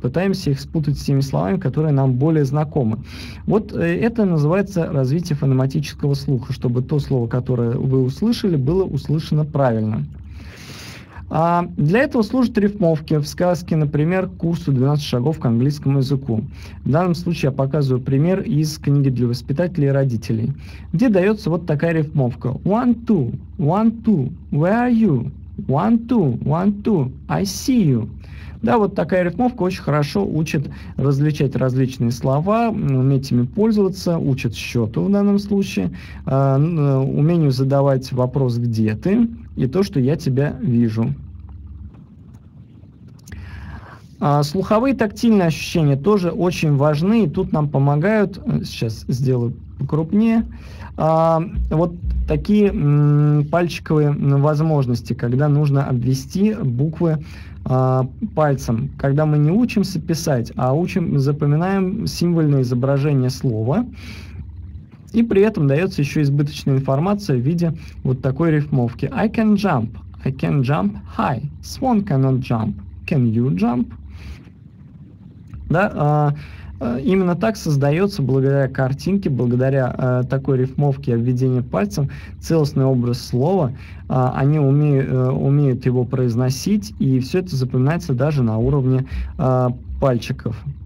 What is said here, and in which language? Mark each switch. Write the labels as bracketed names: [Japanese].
[Russian] Пытаемся их спутать с теми словами, которые нам более знакомы. Вот это называется развитие фонематического слуха, чтобы то слово, которое вы услышали, было услышано правильно. Для этого служат рифмовки в сказке, например, курсу «12 шагов к английскому языку». В данном случае я показываю пример из книги для воспитателей и родителей, где дается вот такая рифмовка. [English] One, two, one, two, where are you? One, two, one, two, I see you. [Russian] Да, вот такая рифмовка очень хорошо учит различать различные слова, уметь ими пользоваться, учит счету в данном случае, умению задавать вопрос «где ты?» и то, что я тебя вижу. Слуховые и тактильные ощущения тоже очень важны, и тут нам помогают, сейчас сделаю покрупнее, вот такие пальчиковые возможности, когда нужно обвести буквы пальцем, когда мы не учимся писать, а запоминаем символьное изображение слова, и при этом дается еще избыточная информация в виде вот такой рифмовки. [English] I can jump high, swan cannot jump, can you jump? [Russian] Да, именно так создается благодаря картинке, благодаря такой рифмовке, обведению пальцем, целостный образ слова. Они умеют его произносить, и все это запоминается даже на уровне пальчиков.